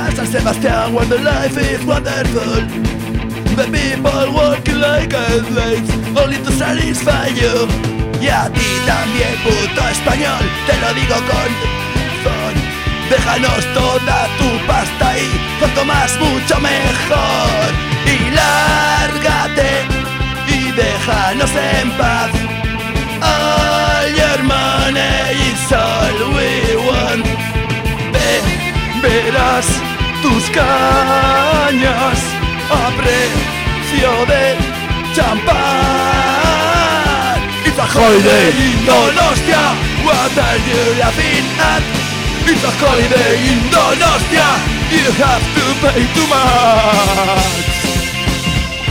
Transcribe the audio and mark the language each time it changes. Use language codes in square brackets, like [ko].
[en] Sebastian, when the life is wonderful, the people work like athletes, only to satisfy you. [es] Y a ti también, puto español, te lo digo con razón. Déjanos toda tu pasta y cuanto más mucho mejor. Y lárgate y déjanos en paz. [en] All your money is all we want. [es] Ve, verás tus cañas a precio de champán. [en] It's a holiday in Donostia, what are you laughing at? It's a holiday in Donostia, you have to pay too much.